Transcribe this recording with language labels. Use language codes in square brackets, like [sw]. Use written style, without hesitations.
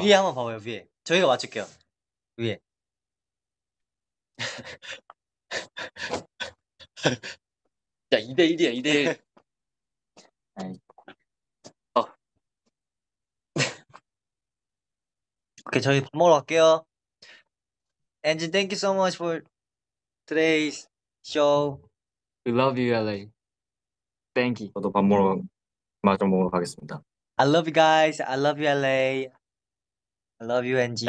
[ko] 위에 한번 봐봐요, 위에. 저희가 맞출게요. 위에. 야, 2대1이야, 2대1. 오케이, 저희 밥 먹으러 갈게요. [en] 엔진, thank you so much for today's show. We love you, LA. Thank you. [ko] 저도 밥 먹으러, 마저 먹으러 가겠습니다. [en] I love you guys. I love you, LA. I love you, NG.